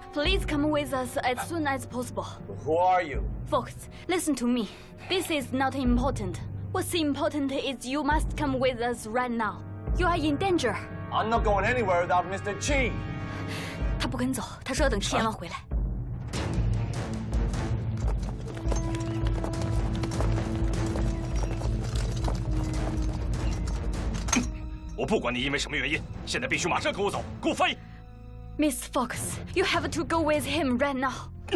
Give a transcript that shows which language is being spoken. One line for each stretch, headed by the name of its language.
English: Please come with us as soon as possible. Who are you? Folks, listen to me. This is not important. What's important is you must come with us right now. You are in danger. I'm not going anywhere without Mr. Chi.
Chinese: 他不肯走，他说要等天狼回来。我不管你因为什么原因，现在必须马上跟我走，给我翻译。
English: Miss Fox, you have to go with him right now.